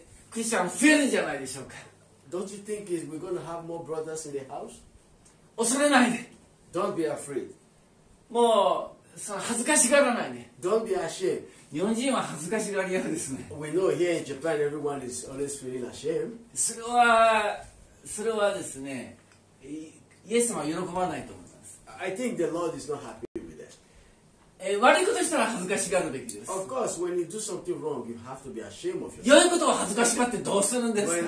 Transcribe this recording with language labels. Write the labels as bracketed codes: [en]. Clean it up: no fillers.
[ja] クリスチャン増えるんじゃないでしょうか。 [en] Don't you think we're going to have more brothers in the house? [ja] 恐れないで。 [en] Don't be afraid. [ja] もうその恥ずかしがらないで。 [en] Don't be ashamed. [ja] 日本人は恥ずかしがり屋ですね。 [en] We know here in Japan everyone is always feeling ashamed. [ja] それはですね、イエス様は喜ばないと思います。 [en] I think the Lord is not happy with that. [ja] 悪いことしたら恥ずかしがるべきです。 [en] Of course, when you do something wrong, you have to be ashamed of yourself. [ja] 良いことを恥ずかしがってどうするんですか？